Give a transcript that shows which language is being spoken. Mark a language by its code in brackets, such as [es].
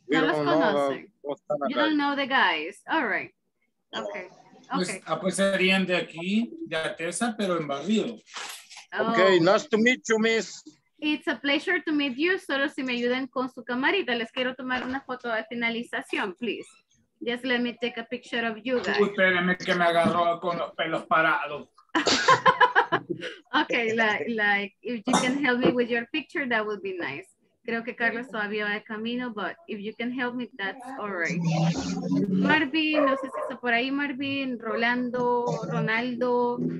[es] No los conocen. [en] You don't know the guys. All right. Okay. [es] Pues serían de aquí, de Atesa, pero en Barrio. [en] Oh. Okay, nice to meet you, miss. It's a pleasure to meet you. [es] Solo si me ayudan con su camarita. Les quiero tomar una foto de finalización, please. [en] Just let me take a picture of you guys. [es] Espérenme que me agarró con los pelos parados. [en] Okay, like if you can help me with your picture, that would be nice. [es] Creo que Carlos todavía va de camino, [en] but if you can help me, that's all right. [es] Marvin, no sé si está por ahí, Marvin, Rolando, Ronaldo.